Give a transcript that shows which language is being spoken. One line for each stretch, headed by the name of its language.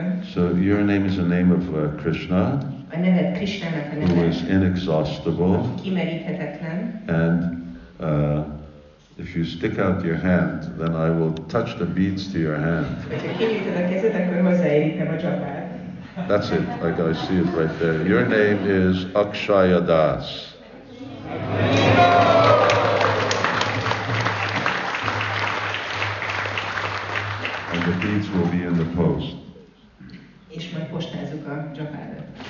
English: So your name is the name of Krishna.
Hungarian: A neved Krishnának a neve.
English: Who is inexhaustible.
Hungarian: Kimeríthetetlen.
English: And if you stick out your hand, then I will touch the beads to your hand.
Hungarian: Hogyha kinyújtod a kezed, akkor hozzáérítem a csapát.
English: That's it. Like I see it right there. Your name is Akshaya Das. And the beads will be in the post.
Hungarian: És majd postázzuk a csapádat.